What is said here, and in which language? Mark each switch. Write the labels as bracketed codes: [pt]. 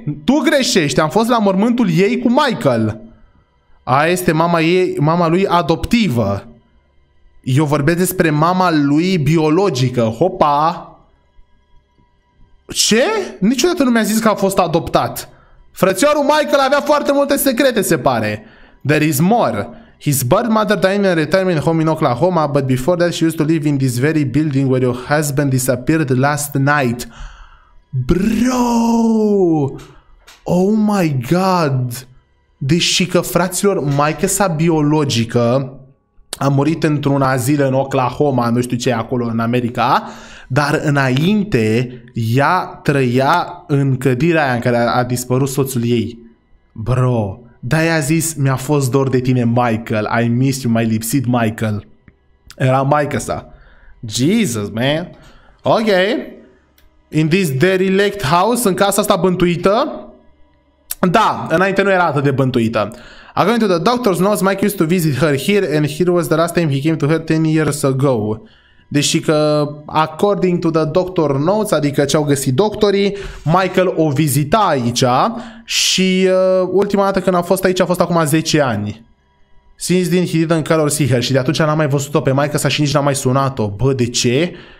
[ro] Tu greșești, am fost la mormântul ei cu Michael. Aia este mama ei, mama lui adoptivă. Eu vorbesc despre mama lui biologică. Hopa. Ce? Niciodată nu mi-a zis că a fost adoptat. Frățiorul Michael avea foarte multe secrete, se pare. [en] There is more. His birth mother died in a retirement home in Oklahoma, but before that she used to live in this very building where your husband disappeared last night. Bro! Oh my god! [ro] Deși că, fraților, maică-sa biologică a murit într-un azil în Oklahoma, nu știu ce e acolo în America, dar înainte ea trăia în cădirea aia în care a dispărut soțul ei. Bro! De-aia a zis, mi-a fost dor de tine, Michael. [en] I miss you, [ro] m-ai lipsit, Michael. Era maică-sa. [en] Jesus, man! Ok! In this derelict house, [ro] în casa asta bântuită. Da, înainte nu era atât de bântuită. [en] According to the doctor's notes, Mike used to visit her here and here was the last time he came to her 10 years ago. [ro] Deși că, [en] according to the doctor's notes, [ro] adică ce au găsit doctorii, Michael o vizita aici și ultima dată când a fost aici a fost acum 10 ani. [en] Since then he didn't call or see her [ro] și de atunci n-a mai văzut-o pe maica sa și nici n-a mai sunat-o. Bă, de ce?